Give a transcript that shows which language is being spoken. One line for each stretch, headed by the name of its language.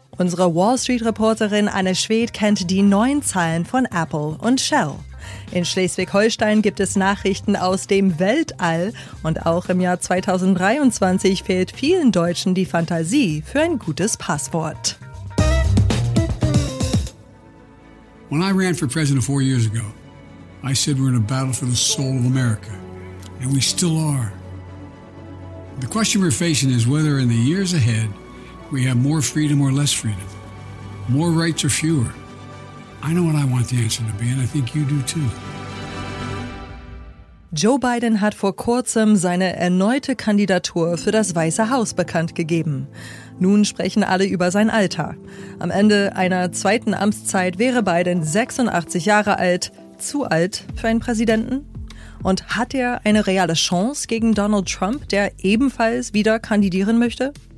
German: Unsere Wall Street-Reporterin Anne Schwedt kennt die neuen Zahlen von Apple und Shell. In Schleswig-Holstein gibt es Nachrichten aus dem Weltall. Und auch im Jahr 2023 fehlt vielen Deutschen die Fantasie für ein gutes Passwort.
English: When I ran for president 4 years ago, I said we're in a battle for the soul of America. And we still are. The question we're facing is whether in the years ahead we have more freedom or less freedom, more rights or fewer. I know what I want the answer to be, and I think you do too.
German: Joe Biden hat vor kurzem seine erneute Kandidatur für das Weiße Haus bekannt gegeben. Nun sprechen alle über sein Alter. Am Ende einer zweiten Amtszeit wäre Biden 86 Jahre alt. Zu alt für einen Präsidenten? Und hat er eine reale Chance gegen Donald Trump, der ebenfalls wieder kandidieren möchte?